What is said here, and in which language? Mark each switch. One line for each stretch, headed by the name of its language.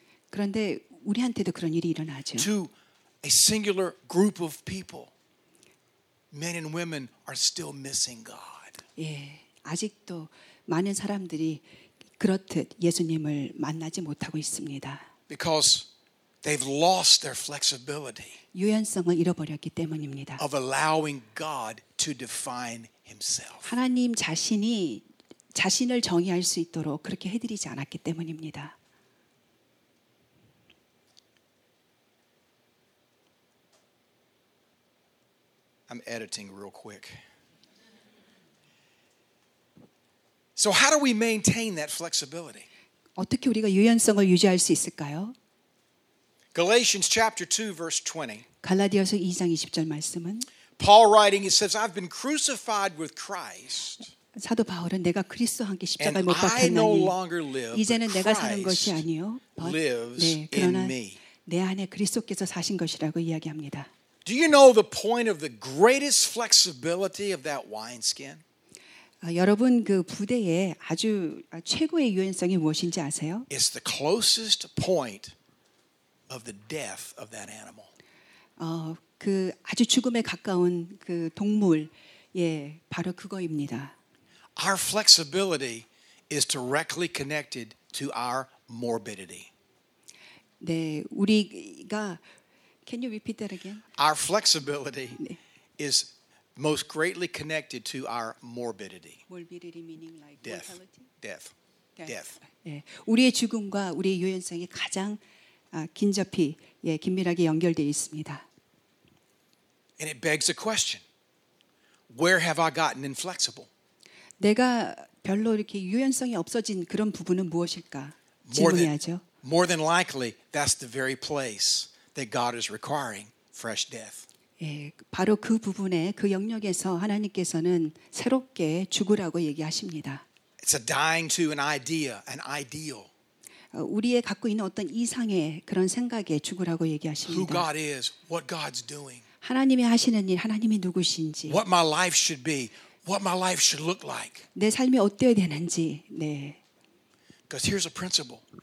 Korean: 그런데 우리한테도 그런 일이 일어나죠.
English: To a singular group of people, men and women are still missing God.
Korean: 예, 아직도 많은 사람들이 그렇듯 예수님을 만나지 못하고 있습니다.
English: Because they've lost their flexibility.
Korean: 유연성을 잃어버렸기 때문입니다.
English: Of allowing God to define Himself.
Korean: 하나님 자신이 자신을 정의할 수 있도록 그렇게 해드리지 않았기 때문입니다.
English: I'm editing real quick. So how do we maintain that flexibility?
Korean: 어떻게 우리가 유연성을 유지할 수 있을까요?
English: Galatians chapter 2 verse 20.
Korean: 갈라디아서 2장 20절 말씀은
English: Paul writing, he says, I've been crucified with Christ.
Korean: 사도 바울은 내가 그리스도와 함께 십자가에 못 박혔나니 이제는 내가 사는 것이 아니요 네, 그러나 내 안에 그리스도께서 사신 것이라고 이야기합니다.
English: Do you know the point of the greatest flexibility of that wineskin?
Korean: 여러분 그 부대의 아주 최고의 유연성이 무엇인지 아세요?
English: It's the closest point of the death of that animal.
Korean: 그 아주 죽음에 가까운 그 동물 예, 바로 그거입니다.
English: Our flexibility is directly connected to our morbidity.
Korean: 네, 우리가
English: Can you repeat that again? Our flexibility
Korean: 네.
English: is most greatly connected to our morbidity. Morbidity meaning like death. mortality? Death. Death.
Korean: 예. 네. 우리의 죽음과 우리의 유연성이 가장 긴접히 예, 긴밀하게 연결되어 있습니다.
English: And it begs a question. Where have I gotten inflexible?
Korean: 내가 별로 이렇게 유연성이 없어진 그런 부분은 무엇일까 질문해야죠.
English: More than likely, that's the very place that God is requiring fresh death.
Korean: 예, 바로 그 부분에 그 영역에서 하나님께서는 새롭게 죽으라고 얘기하십니다.
English: It's a dying to an idea, an ideal.
Korean: 우리의 갖고 있는 어떤 이상의 그런 생각에 죽으라고 얘기하십니다.
English: Who God is, what God's doing.
Korean: 하나님이 하시는 일, 하나님이 누구신지.
English: What my life should be. What my life should look like.
Korean: 내 삶이 어때야 되는지. 네.
English: Because here's a principle.